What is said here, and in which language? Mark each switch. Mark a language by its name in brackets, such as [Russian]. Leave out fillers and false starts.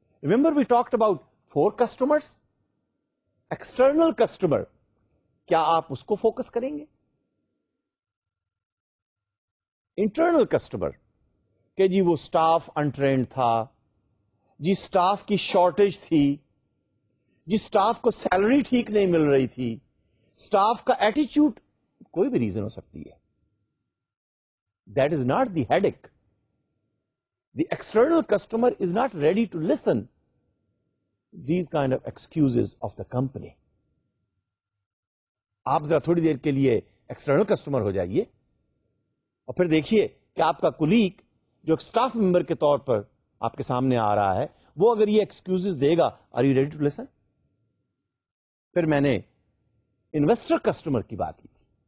[English] remember we talked about four customers, [Urdu] external customer کیا آپ اس کو فوکس کریں گے, انٹرنل کسٹمر کہ جی وہ سٹاف انٹرینڈ تھا, جی سٹاف کی شارٹیج تھی, جی سٹاف کو سیلری ٹھیک نہیں مل رہی تھی, سٹاف کا ایٹیچیوڈ, کوئی بھی ریزن ہو سکتی ہے. [English] That is not the headache. The external customer is not ready to listen these kind of excuses of the company. [Urdu] آپ ذرا تھوڑی دیر کے لیے ایکسٹرنل کسٹمر ہو جائیے, اور پھر دیکھیے کہ آپ کا کولیگ جو ایک سٹاف ممبر کے طور پر آپ کے سامنے آ رہا ہے, وہ اگر یہ excuses they God, [English] Are you ready to listen? [Urdu] پھر میں نے انویسٹر کسٹمر کی بات کی تھی.